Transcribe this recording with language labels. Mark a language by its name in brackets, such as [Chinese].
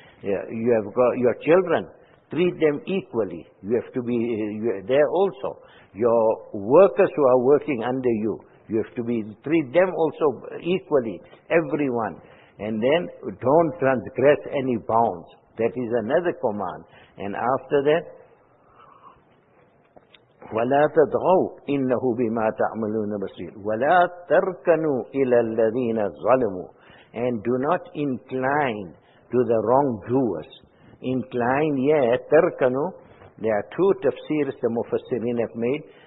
[English] You have got your children. Treat them equally. You have to be there also. Your workers who are working under you, you have to be treat them also equally, everyone. And then don't transgress any bounds. That is another command. And after that, [Arabic] وَلَا تَدْغَوْا إِنَّهُ بِمَا تَعْمَلُونَ بَصِيرٌ وَلَا تَرْكَنُوا إِلَى الَّذِينَ ظَلَمُوا. [English] And do not incline to the wrongdoers. Incline, yeah, tarkanu. There are two tafsirs the Mufassirin have made.